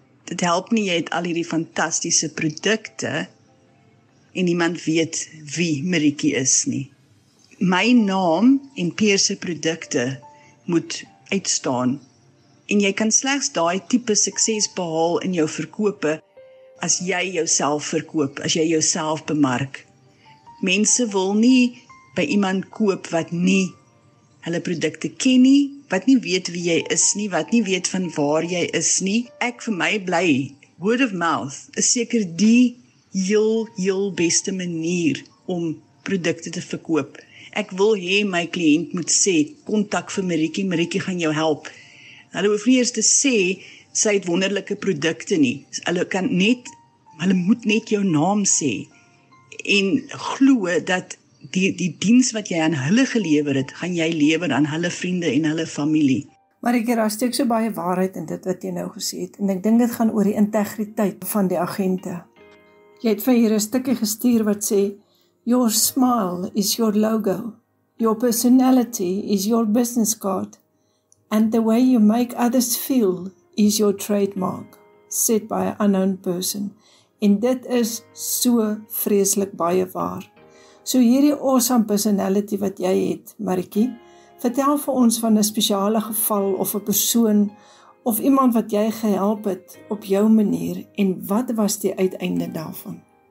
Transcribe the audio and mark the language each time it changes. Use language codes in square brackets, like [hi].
[af] Dit help nie, jy het al hierdie fantastiese produkte en niemand weet wie Maritjie is nie. My naam en Peer se produkte moet uitstaan. En jy kan slegs daai tipe sukses behaal in jou verkope as jy jouself verkoop, as jy jouself bemark. Mense wil nie by iemand koop wat nie hulle produkte ken nie, wat nie weet wie jy is nie, wat nie weet van waar jy is nie. Ek vir my bly, word of mouth, is seker die heel, heel beste manier om produkte te verkoop. Ek wil hê my kliënt moet sê, kontak vir Maritjie, Maritjie gaan jou help. Hulle hoef nie eers te sê, sy het wonderlike produkte nie. Hulle moet net jou naam sê. En glo dat Die diens wat jy aan hulle gelewer het, gaan jy lewer aan hulle vriende en hulle familie. Maar ek daar steek so baie waarheid in dit wat jy nou gesê het. En ek dink dit gaan oor die integriteit van die agente. Jy het vir hier 'n stukkie gestuur wat sê, [en] "Your smile is your logo. Your personality is your business card. And the way you make others feel is your trademark," said by an unknown person. [af] En dit is so vreeslik baie waar. So hierdie awesome personality wat jy het, Maritjie, vertel vir ons van 'n spesiale geval of 'n persoon of iemand wat jy gehelp het op jou manier en wat was die uiteinde daarvan?